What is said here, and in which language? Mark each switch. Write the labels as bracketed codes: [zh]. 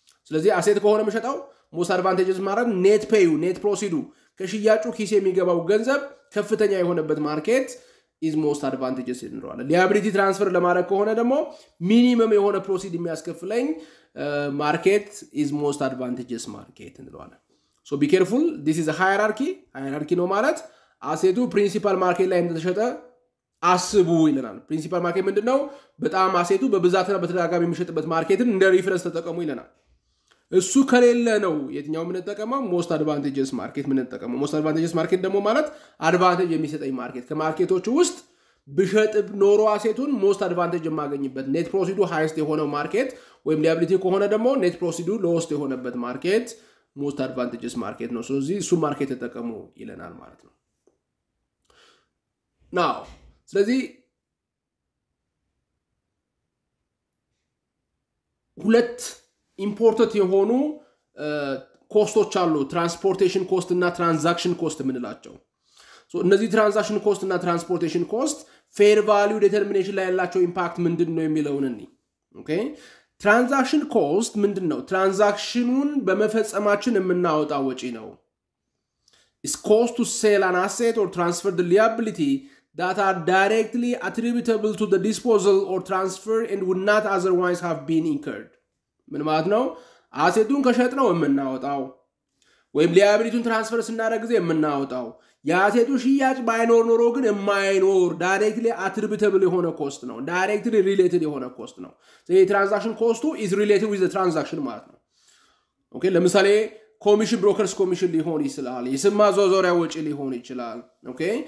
[am] ስለዚህ አሴት ከሆነ የምሸጠው most advantageous ማለት net payu net proceedu ከሽያጩ ኪስ የሚገባው ገንዘብ ከፍተኛ የሆነበት market is most advantageous እንደሆነ። liability transfer ለማድረግ ከሆነ ደግሞ minimum የሆነ proceed የሚያስከፍለኝ market is most advantageous market እንደሆነ። [en] so be careful this is a hierarchy no matter [am] asetu principal market ላይ እንደተሸጠ አስቡ ይለናል። principal market ምንድነው? በጣም አሴቱ በብዛትና በተደጋጋሚ የሚሸጥበት marketን እንደ reference ተጠቀሙ ይለናል። እሱ ከሌለ ነው የትኛው ምን ተጠቀመው most advantageous market ምን ተጠቀመው? most advantageous market ደግሞ ማለት advantage የሚሰጠኝ market ከማርኬቶቹ ውስጥ ብሸጥ ኖሮ አሴቱን most advantage የማገኝበት net proceedu highest የሆነው market ወይም liability ከሆነ ደግሞ net proceedu lowest የሆነበት market most advantageous market ነው። ስለዚህ እሱ ማርኬት ተጠቀሙ ይለናል ማለት ነው። now ስለዚህ ሁለት ኢምፖርተድ የሆኑ ኮስቶች አሉ ትራንስፖርቴሽን ኮስት እና ትራንዛክሽን ኮስት ምንላቸው። ሶ እነዚህ ትራንዛክሽን ኮስት እና ትራንስፖርቴሽን ኮስት ፌር ቫልዩ ዲተርሚኔሽን ላይ ያላቸው ኢምፓክት ምንድነው የሚለውን እንይ። ኦኬ ትራንዛክሽን ኮስት ምንድነው? ትራንዛክሽኑን በመፈጸማችን የምናወጣው ወጪ ነው። [en] is cost to sell an asset or transfer the liability that are directly attributable to the disposal or transfer and would not otherwise have been incurred. [am] ምን ማለት ነው? አሴቱን ከሸጥነው የምናወጣው ወይም ሊያቢሊቲውን ትራንስፈር ስናደርግ ጊዜ የምናወጣው ያሴቱ ሽያጭ ባይኖር ኖሮ ግን የማይኖር ዳይሬክትሊ አትሪቢተብል የሆነ ኮስት ነው። ዳይሬክትሊ ሪሌትድ የሆነ ኮስት ነው። ስለዚህ ትራንዛክሽን ኮስቱ [en] ኢዝ ሪሌትድ ዊዝ ዘ ትራንዛክሽን [am] ማለት ነው። ኦኬ ለምሳሌ ኮሚሽን ብሮከርስ ኮሚሽን ሊሆን ይችላል። የስማ ዞዞሪያ ወጪ ሊሆን ይችላል። ኦኬ